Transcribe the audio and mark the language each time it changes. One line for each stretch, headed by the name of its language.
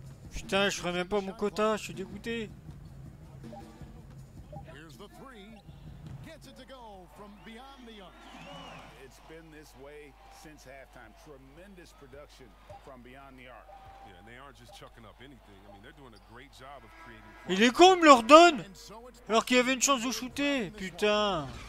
French: Putain, je ferai même pas mon quota, je suis dégoûté.
English: Here's the three. Gets it to go from beyond the arc. It's been this way since halftime. Tremendous production from beyond the arc. Yeah, and they aren't just chucking up anything. I mean, they're doing a great job of creating.
French: Il est con, il me le redonne. Alors qu'il y avait une chance de shooter. Putain.